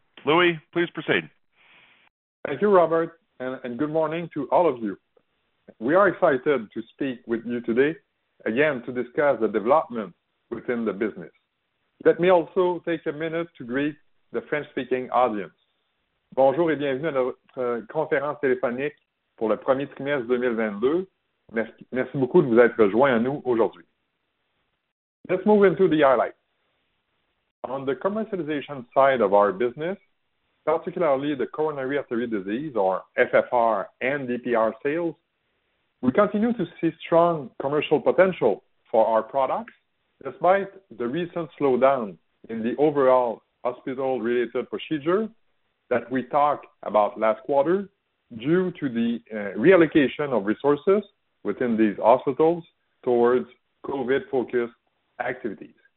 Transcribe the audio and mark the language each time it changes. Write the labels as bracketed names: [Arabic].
[English] Louis, please proceed. Thank you, Robert, and good morning to all of you. We are excited to speak with you today again to discuss the development within the business. Let me also take a minute to greet the French-speaking audience. [French] Bonjour et bienvenue à notre conférence téléphonique pour le premier trimestre 2022. Merci beaucoup de vous être joints à nous aujourd'hui. [English] Let's move into the highlights. On the commercialization side of our business, particularly the coronary artery disease, or FFR and DPR sales, we continue to see strong commercial potential for our products despite the recent slowdown in the overall hospital-related procedure that we talked about last quarter due to the reallocation of resources within these hospitals towards COVID-focused activities.